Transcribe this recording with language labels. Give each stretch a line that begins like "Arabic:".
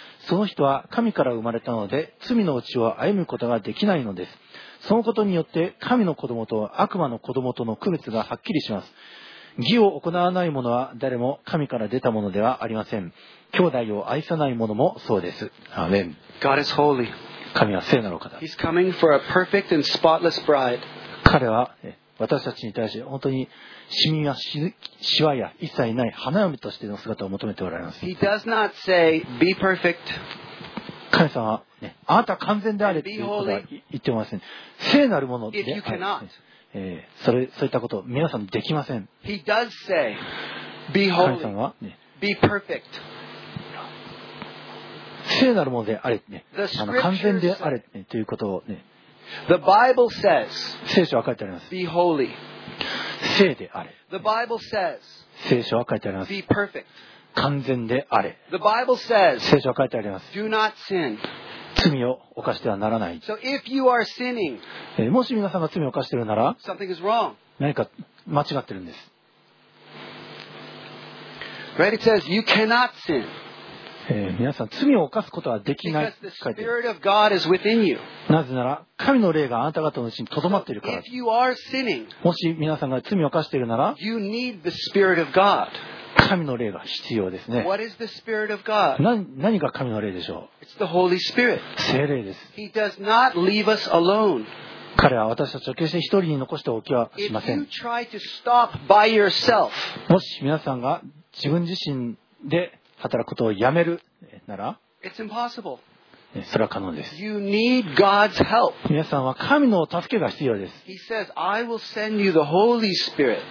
Japanese: その人は神から生まれたので罪のうちを歩むことができないのです。そのことによって神の子供と悪魔の子供との区別がはっきりします。義を行わない者は誰も神から出たものではありません。兄弟を愛さない者もそうです。アーメン。
English: God is holy.
Japanese: 神は聖なる方。
English: He's coming for a perfect and spotless bride.
Japanese: 彼は私たちに対して本当にシミやシワや一切ない花嫁としての姿を求めておられます。
English: He does not say, be perfect.
Japanese: 神様は、ね、あなた完全であれということは言ってません。聖なるものであれ、そういったこと皆さんできません。
English: He does say, be holy.
Japanese: 神様は、ね、
English: be perfect.
Japanese: 聖なるものであれ、ね、完全であれ、ね、ということを、ね、
English: The Bible says,
Japanese: 聖書は書いてあります。
English: be holy.
Japanese: 聖であれ。
English: The Bible says,
Japanese: 聖書は書いてあります。
English: be perfect.
Japanese: 完全であれ。
English: The Bible says,
Japanese: 聖書は書いてあります。
English: do not sin.
Japanese: 罪を犯してはならない。
English: So if you are sinning,
Japanese: もし皆さんが罪を犯しているなら、
English: something is wrong.
Japanese: 何か間違ってるんです。
English: Right? It says you cannot sin.
Japanese: 皆さん罪を犯すことはできない。
English: Because the Spirit of God is within you.
Japanese: なぜなら神の霊があなた方のうちに留まっているから。
English: So、if you are sinning,
Japanese: もし皆さんが罪を犯しているなら、
English: you need the Spirit of God.
Japanese: 神の霊が必要ですね。
English: What is the Spirit of God?
Japanese: 何が神の霊でしょう。
English: It's the Holy Spirit.
Japanese: 聖霊です。
English: He does not leave us alone.
Japanese: 彼は私たちを決して一人に残しておきはしません。
English: If you try to stop by yourself,
Japanese: もし皆さんが自分自身で働くことをやめるなら、
English: It's impossible.
Japanese: それは可能です。
English: You need God's help.
Japanese: 皆さんは神の助けが必要です。
English: He says, I will send you the Holy Spirit.